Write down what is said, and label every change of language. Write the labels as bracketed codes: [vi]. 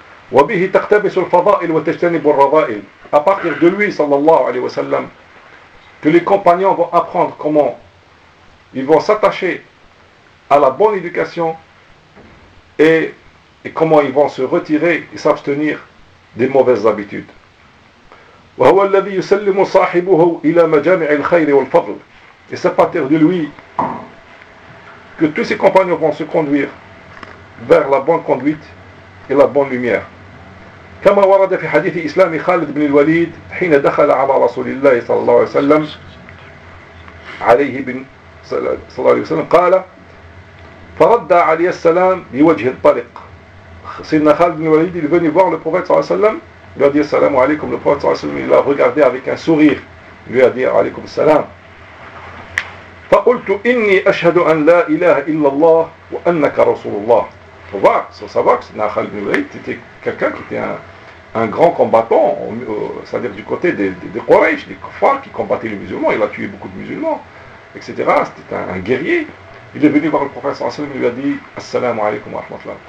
[ar] Wa bihi taqtabisu al-fada'il wa tajtanibu al-radha'il. [fr] À partir de lui sallallahu alayhi wa sallam, que les compagnons vont apprendre comment ils vont s'attacher à la bonne éducation et comment ils vont se retirer et s'abstenir des mauvaises habitudes. [ar] وهو الذي يسلم صاحبه الى مجامع الخير والفضل. [fr] Et c'est à partir de lui que tous ses compagnons vont se conduire vers la bonne conduite et la bonne lumière. [ar] كما ورد في حديث اسلام خالد بن الوليد حين دخل على رسول الله صلى الله عليه وسلم عليه بن صلى الله عليه وسلم قال فرد عليه السلام بوجه الطلق. [fr] Sayyidina Khalid ibn Walid est venu voir le prophète sallallahu alayhi wa sallam, lui a dit salam alaykum. Le prophète sallallahu alayhi wa sallam l'a regardé avec un sourire, lui a dit alaykum salam. [ar] فقلت إني أشهد أن لا إله إلا الله وأنك رسول الله. [fr] Faut voir, ça, ça voit que c'est Khalid ibn Walid, c'était quelqu'un qui était un grand combattant, c'est-à-dire du côté des Quraysh, des Kuffars qui combattaient les musulmans, il a tué beaucoup de musulmans, etc. C'était un guerrier. Il est venu voir le prophète sallallahu alayhi wa sallam, il lui a dit « Assalamu alaykum wa rahmatullah ».